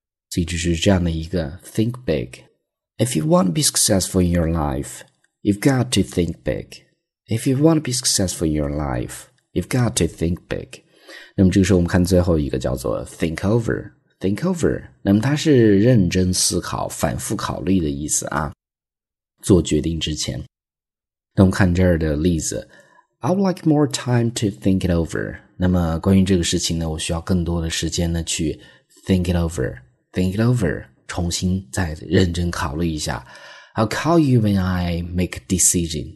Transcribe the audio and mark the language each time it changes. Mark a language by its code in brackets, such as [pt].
[zh] 所以就是这样的一个 think big. [en] If you want to be successful in your life, you've got to think big. If you want to be successful in your life, you've got to think big. [zh] 那么这个时候我们看最后一个叫做 think over, 那么它是认真思考、反复考虑的意思啊。做决定之前。那我们看这儿的例子。 [en] I would like more time to think it over. [zh] 那么关于这个事情呢我需要更多的时间呢去 [en] think it over, [zh] 重新再认真考虑一下。 [en] I'll call you when I make a decision.